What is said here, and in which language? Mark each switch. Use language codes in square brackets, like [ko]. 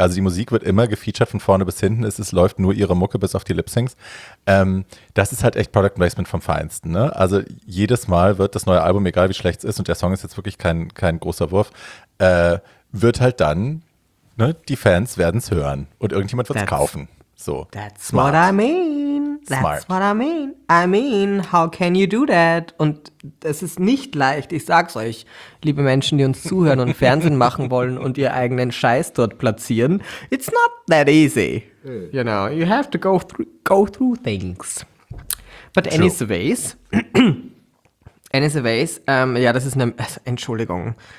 [de] Also die Musik wird immer gefeatured von vorne bis hinten. Es läuft nur ihre Mucke bis auf die Lip-Syncs. Das ist halt echt Product Placement vom Feinsten, ne? Also jedes Mal wird das neue Album, egal wie schlecht es ist, und der Song ist jetzt wirklich kein großer Wurf, wird halt dann, ne, die Fans werden es hören und irgendjemand wird es kaufen. So. [en] That's smart. What I mean. That's smart. What I mean. I mean, how can you do that? [de] Und das ist nicht leicht. Ich sag's euch, liebe Menschen, die uns zuhören und Fernsehen machen wollen und ihr eigenen Scheiß dort platzieren. [en] It's not that easy. You know, you have to go through things. But anyways, anyways, [de] ja, das ist eine Entschuldigung.